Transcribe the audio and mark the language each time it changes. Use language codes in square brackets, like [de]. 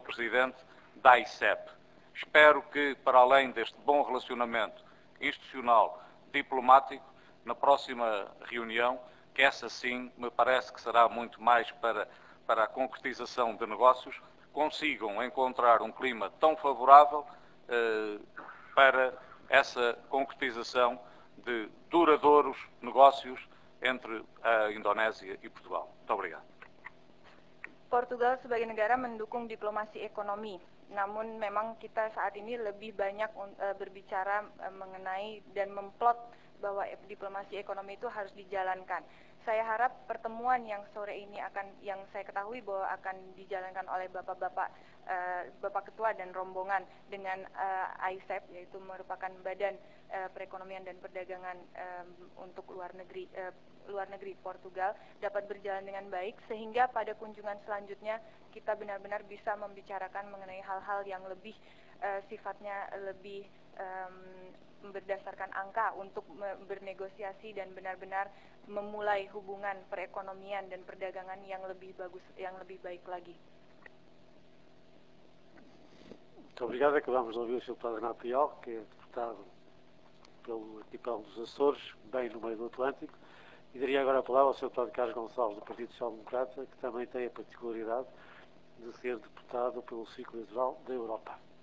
[pt] Presidente da ICEP. Espero que, para além deste bom relacionamento institucional, diplomático, na próxima reunião, que essa sim me parece que será muito mais para a concretização de negócios, consigam encontrar clima tão favorável para essa concretização de duradouros negócios entre a Indonésia e Portugal. Muito obrigado. [id] Portugal sebagai negara mendukung diplomasi ekonomi, Namun memang kita saat ini lebih banyak berbicara mengenai dan memplot bahwa diplomasi ekonomi itu harus dijalankan. Saya harap pertemuan yang sore ini akan, yang saya ketahui bahwa akan dijalankan oleh Bapak-Bapak, Bapak Ketua dan rombongan dengan ISEP, yaitu merupakan Badan Perekonomian dan Perdagangan untuk luar negeri Portugal, dapat berjalan dengan baik, sehingga pada kunjungan selanjutnya kita benar-benar bisa membicarakan mengenai hal-hal yang lebih sifatnya lebih berdasarkan angka untuk bernegosiasi dan benar-benar memulai hubungan perekonomian dan perdagangan yang lebih bagus, yang lebih baik lagi. [pt] Muito obrigado. Acabamos de ouvir o Sr. Deputado Renato Pial, que é deputado pelo Arquipélago dos Açores, bem no meio do Atlântico. E daria agora a palavra ao Sr. Deputado Carlos Gonçalves, do Partido Social Democrata, que também tem a particularidade de ser deputado pelo ciclo eleitoral da Europa.